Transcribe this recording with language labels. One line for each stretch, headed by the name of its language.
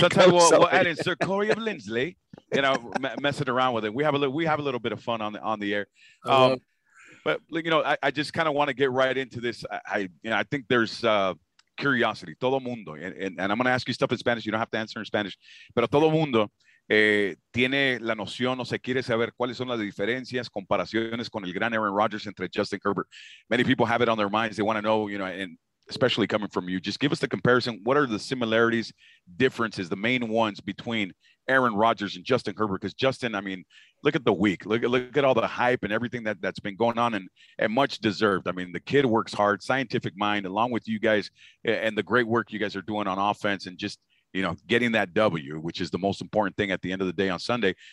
English: sometimes comes we'll add in Sir Corey of Linsley, you know, messing around with it. We have a little bit of fun on the air. But you know, I just kind of want to get right into this. I think there's curiosity.
Spanish: Todo mundo,
English: and I'm going to ask you stuff in Spanish. You don't have to answer in Spanish.
Spanish: Pero todo mundo tiene la noción, o se quiere saber cuáles son las diferencias, comparaciones con el gran Aaron Rodgers entre Justin Herbert.
English: Many people have it on their minds. They want to know, you know, and especially coming from you, just give us the comparison. What are the similarities, differences, the main ones between Aaron Rodgers and Justin Herbert, because Justin, I mean, look at the week. Look at all the hype and everything that's been going on, and much deserved. I mean, the kid works hard, scientific mind, along with you guys and the great work you guys are doing on offense and just, you know, getting that W, which is the most important thing at the end of the day on Sunday.